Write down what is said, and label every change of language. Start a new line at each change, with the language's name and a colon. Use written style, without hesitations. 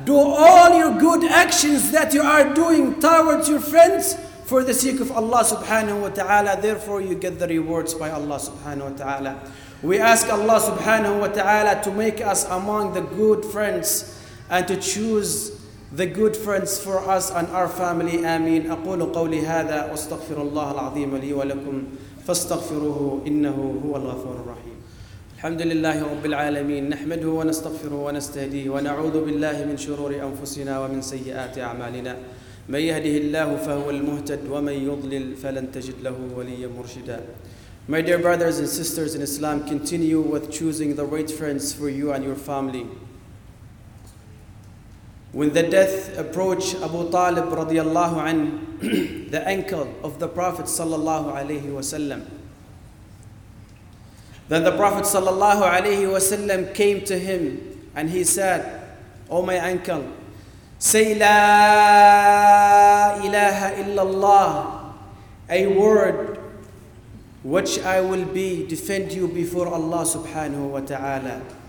English: Do all your good actions that you are doing towards your friends for the sake of Allah subhanahu wa ta'ala. Therefore you get the rewards by Allah subhanahu wa ta'ala. We ask Allah subhanahu wa ta'ala to make us among the good friends and to choose the good friends for us and our family. Ameen.
Arabic: أقول قولي هذا واستغفر الله العظيم لي ولكم فاستغفروه إنه هو الغفور الرحيم. الحمد لله رب العالمين، نحمده ونستغفره ونستهديه، ونعوذ بالله من شرور أنفسنا ومن سيئات أعمالنا، من يهده الله فهو المهتد ومن يضلل فلن تجد له وليا مرشدا.
English: My dear brothers and sisters in Islam, continue with choosing the right friends for you and your family. When the death approached Abu Talib radiallahu anhu, the uncle of the Prophet sallallahu alayhi wasallam, then the Prophet sallallahu alayhi wasallam came to him and he said, "Oh my uncle, say
Arabic: La ilaha illallah,
English: a word which I will be defend you before Allah subhanahu wa ta'ala.